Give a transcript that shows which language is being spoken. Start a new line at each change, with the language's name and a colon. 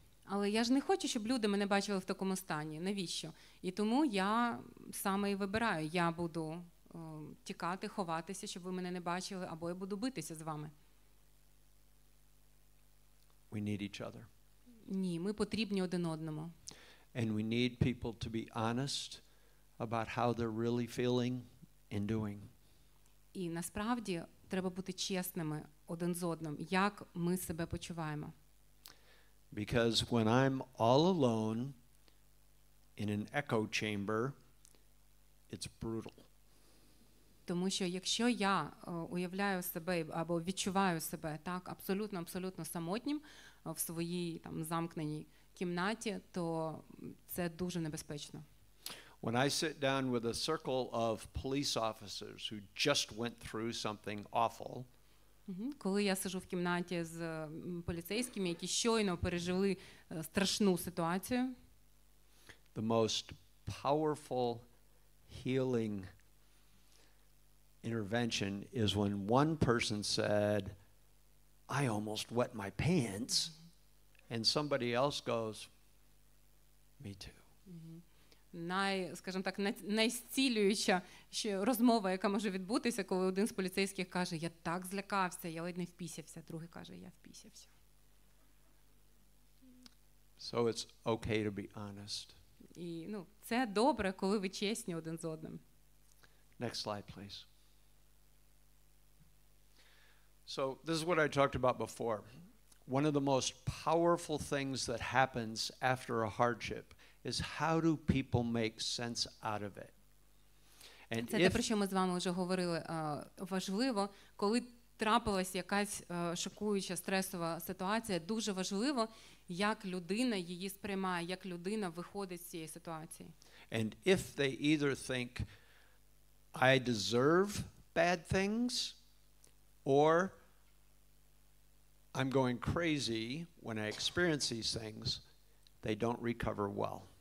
Ukrainian: Але я ж не хочу, щоб люди мене бачили в такому стані. Навіщо? І тому я саме і вибираю. Я буду тікати, ховатися, щоб ви мене не бачили, або я буду битися з вами.
English: We need each other.
Ukrainian: Ні, ми потрібні один одному.
English: And we need people to be honest about how they're really feeling and doing.
Ukrainian: І насправді треба бути чесними один з одним, як ми себе почуваємо.
English: Because when I'm all alone in an echo chamber, it's brutal.
Ukrainian: Тому що якщо я уявляю себе або відчуваю себе так абсолютно самотнім в своїй там замкненій кімнаті, то це дуже небезпечно.
English: When I sit down with a circle of police officers who just went through something awful,
Ukrainian: коли я сижу в кімнаті з поліцейськими, які щойно пережили страшну ситуацію,
English: the most powerful healing intervention is when one person said, I almost wet my pants, and somebody else goes, me too.
Ukrainian: Скажімо так, найзцілююча ще розмова, яка може відбутися, коли один з поліцейських каже, я так злякався, я ледь не впісявся, другий каже, я впісявся.
English: So it's okay to be honest.
Ukrainian: І, ну, це добре, коли ви чесні один з одним.
English: Next slide, please. So this is what I talked about before. One of the most powerful things that happens after a hardship is how do people make sense out of it?
Ukrainian: And це те, про що ми з вами вже говорили. Важливо, коли трапилась якась шокуюча, стресова ситуація, дуже важливо, як людина її сприймає, як людина виходить з цієї ситуації.
English: And if they either think, I deserve bad things, or I'm going crazy when I experience these things, they don't recover well.